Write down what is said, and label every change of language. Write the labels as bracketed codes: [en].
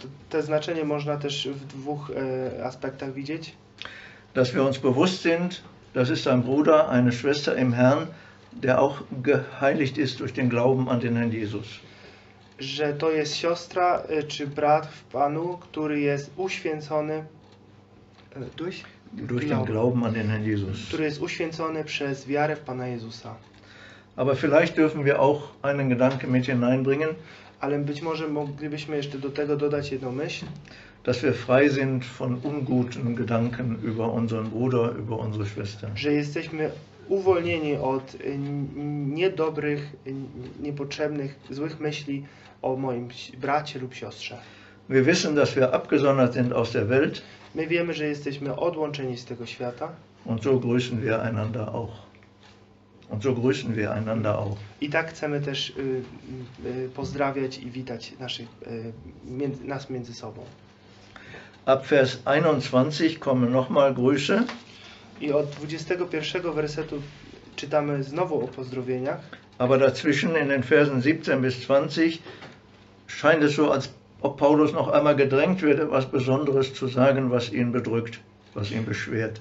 [pl] To znaczenie można też w dwóch aspektach widzieć. [de] Dass wir uns bewusst sind, das ist ein Bruder, eine Schwester im Herrn, der auch geheiligt ist durch den Glauben an den Herrn Jesus. [pl] Że to jest siostra czy brat w Panu, który jest uświęcony [de] durch den Glauben an den Herrn Jesus. [pl] Który jest uświęcony przez wiarę w Pana Jezusa. [de] Aber vielleicht dürfen wir auch einen Gedanken mit hineinbringen. [pl] Ale być może moglibyśmy jeszcze do tego dodać jedną myśl. [de] Dass wir frei sind von unguten Gedanken über unseren Bruder, über unsere Schwester. [pl] Że jesteśmy uwolnieni od niedobrych, niepotrzebnych, złych myśli o moim bracie lub siostrze. [de] Wir wissen, dass wir abgesondert sind aus der Welt. [pl] My wiemy, że jesteśmy odłączeni z tego świata. [de] Und so grüßen wir einander auch. Und so grüßen wir einander auch. [pl] I tak chcemy też pozdrawiać i witać naszych, nas między sobą. [de] Ab Vers 21 kommen nochmal Grüße. [pl] I od 21 wersetu czytamy znowu o pozdrowieniach. [de] Aber dazwischen in den Versen 17 bis 20 scheint es so, als ob Paulus noch einmal gedrängt wird, etwas Besonderes zu sagen, was ihn bedrückt, was ihn beschwert.